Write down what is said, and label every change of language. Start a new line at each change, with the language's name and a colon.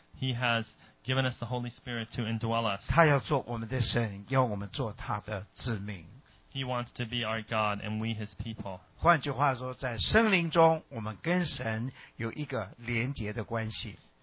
English: He has given us the Holy Spirit to indwell us.
Chinese: 他要做我们的神，要我们做他的子民。
English: He wants to be our God and we His people.
Chinese: 换句话说，在圣灵中，我们跟神有一个连结的关系。